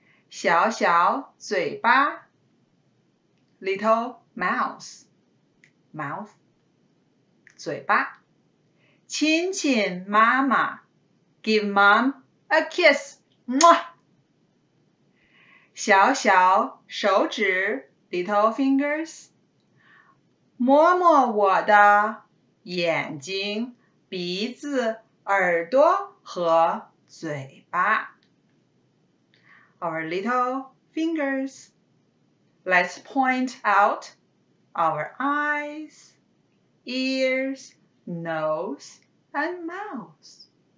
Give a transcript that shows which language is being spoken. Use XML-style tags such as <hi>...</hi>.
<zh>小小嘴巴</zh> <en>Little mouth. Mouth.</en> <zh>嘴巴亲亲妈妈</zh> <en>Give mom a kiss.</en> <zh>嘛小小手指</zh> <en>Little fingers.</en> <zh>摸摸我的眼睛鼻子耳朵和嘴巴</zh> <en>Our little fingers. Let's point out our eyes, ears, nose, and mouth.</en>